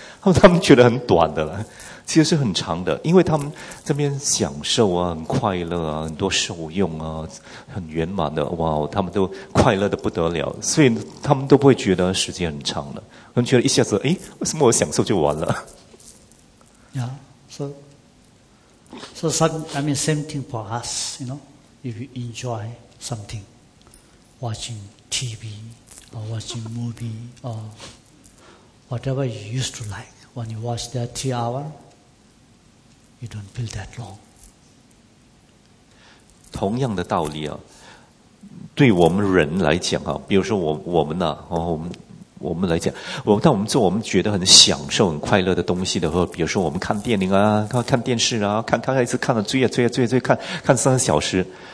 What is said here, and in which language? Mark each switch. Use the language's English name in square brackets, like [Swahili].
[Chinese] 他们觉得很短的了，其实是很长的，因为他们这边享受啊，很快乐啊，很多受用啊，很圆满的，哇，他们都快乐的不得了，所以他们都不会觉得时间很长了，他们觉得一下子，哎，为什么我享受就完了？ [English] Yeah, so some, I mean same thing for us, you know. If you enjoy something, watching TV, or watching movie, or whatever you used to like, when you watch that 3 hours, you don't feel that long. [Chinese] 同样的道理啊，对我们人来讲啊，比如说我们啊，哦，我们来讲，当我们做我们觉得很享受、很快乐的东西的时候，比如说我们看电影啊，看电视啊，看一次看了追啊追啊追啊追，看三个小时。